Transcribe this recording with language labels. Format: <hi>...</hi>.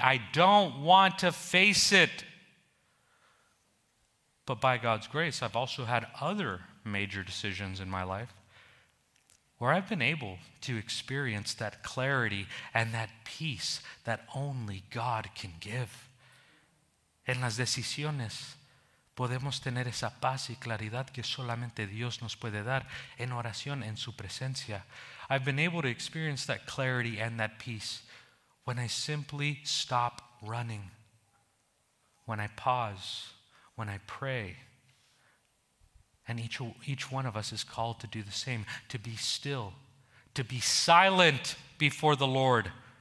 <en>I don't want to face it. But by God's grace, I've also had other major decisions in my life where I've been able to experience that clarity and that peace that only God can give.</en> <es>En las decisiones, podemos tener esa paz y claridad que solamente Dios nos puede dar en oración, en su presencia.</es> <en>I've been able to experience that clarity and that peace when I simply stop running, when I pause, when I pray. And each one of us is called to do the same, to be still, to be silent before the Lord.</en>